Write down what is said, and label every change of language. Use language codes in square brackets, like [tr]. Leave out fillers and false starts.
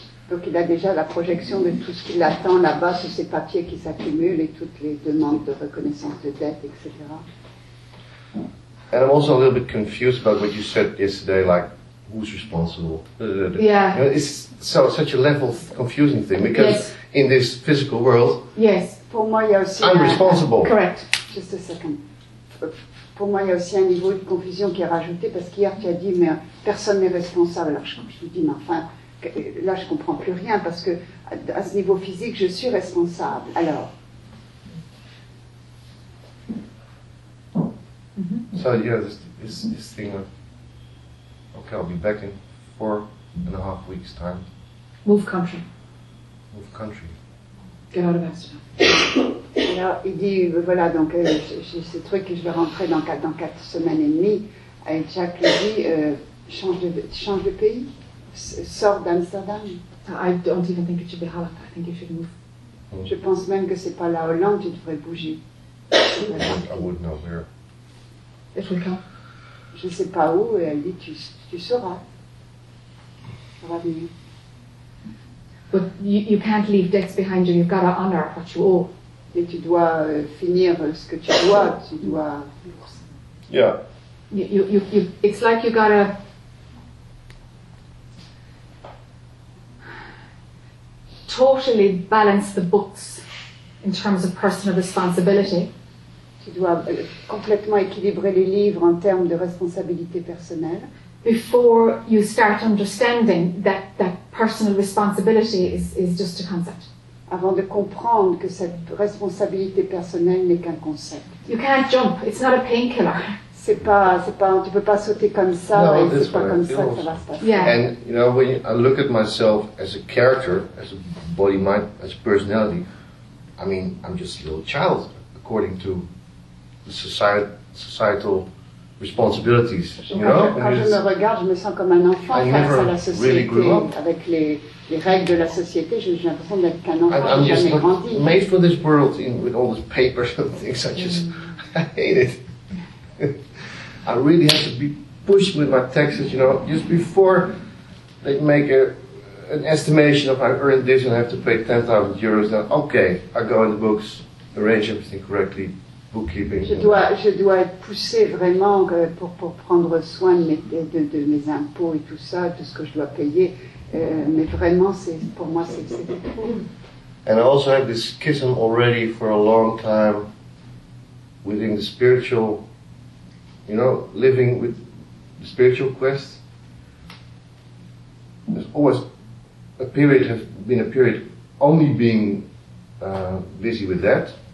[fr] Donc il a déjà la projection de tout ce qu'il attend là-bas sur ces papiers qui s'accumulent et toutes les demandes de reconnaissance de dette, etc. [en] And I'm also a little bit confused about what you said yesterday, like, who's responsible? Yeah. You know, it's so such a level confusing thing, because in this physical world, [fr] Pour moi, y a aussi [en] I'm responsible. Correct. Just a second. [fr] Pour moi, il y a aussi un niveau de confusion qui est rajouté, parce qu'hier tu as dit, mais personne n'est responsable. Alors je te dis, mais enfin, là je ne comprends plus rien, parce que à ce niveau physique, je suis responsable. Alors... [en] So yeah, this thing of, okay, I'll be back in 4.5 weeks' time. Move country. Move country. Get out of Amsterdam. [fr] Alors, il dit, voilà, donc j'ai ce truc et je vais rentrer dans quatre semaines et demie. Et Jack lui dit, change de pays, sors d'Amsterdam. [en] I don't even think it should be Holland, I think you should move. [fr] Je pense même que c'est pas la Hollande, tu devrais bouger. [en] I wouldn't know where. If we can. [fr] Je ne sais pas où, et elle dit, tu sauras. Ça va venir. [en] But you can't leave debts behind you, you've got to honor what you owe. [fr] Et tu dois finir ce que tu dois, tu dois... [en] Yeah. You, it's like you got to... totally balance the books in terms of personal responsibility. [fr] Tu dois complètement équilibrer les livres en termes de responsabilité personnelle. [en] Before you start understanding that personal responsibility is just a concept. [fr] Avant de comprendre que cette responsabilité personnelle n'est qu'un concept. [en] You can't jump. It's not a painkiller. [fr] C'est pas. Tu peux pas sauter comme ça. [en] No, [fr] et c'est pas comme ça. Ça va se passer. [en] Yeah. And you know, when I look at myself as a character, as a body, mind, as a personality, I mean, I'm just a little child according to societal responsibilities. I'm just like made for this world with all these papers and things. I hate it. I really have to be pushed with my taxes, you know, just before they make an estimation of I earned this and I have to pay 10,000 euros. Then, okay, I go in the books, arrange everything correctly. [fr] Je dois être poussée vraiment pour prendre soin de mes impôts et tout ça, tout ce que je dois payer. Mais vraiment, pour moi, c'est trop. [en] And I also have this schism already for a long time within the spiritual, you know, living with the spiritual quest. There's always been a period only being busy with that.